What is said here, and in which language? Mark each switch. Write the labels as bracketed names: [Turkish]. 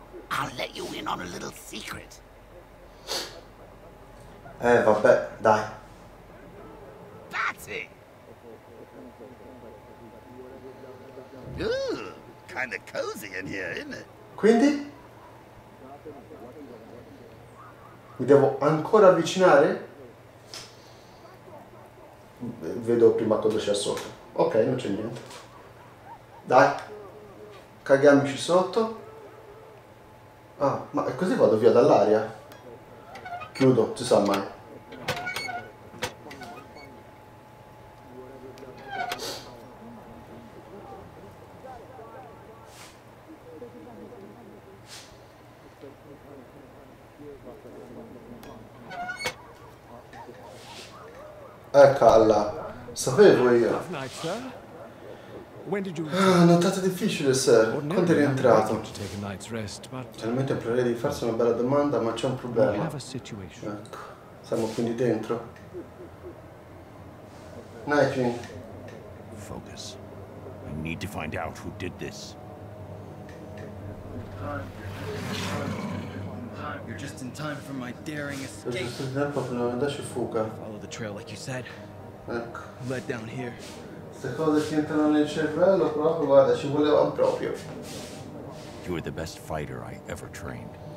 [English] I'll let you in on a little secret. [Italian] Vabbè, dai. [English] That's it! Ooh, kind of cozy in here, isn't it? [Italian] Quindi? Mi devo ancora avvicinare? Vedo prima cosa c'è sotto. Ok, non c'è niente. Dai, caghiamoci sotto. Ah, ma così vado via dall'aria? Chiudo, si sa mai. Eccola, sapevo io. Nottata difficile, sir. Quando è rientrato? Finalmente proverei di farsi una bella domanda, ma c'è un problema. Ecco, siamo quindi dentro. [English] Nightwing. Focus. I need to find out who did this. You're just in time for my daring escape. Follow the trail like you said. [Italian] Ecco. [English] Let down here. [Italian] Queste cose ti entrano nel cervello proprio, guarda, ci voleva proprio. [English] You were the best fighter I ever trained.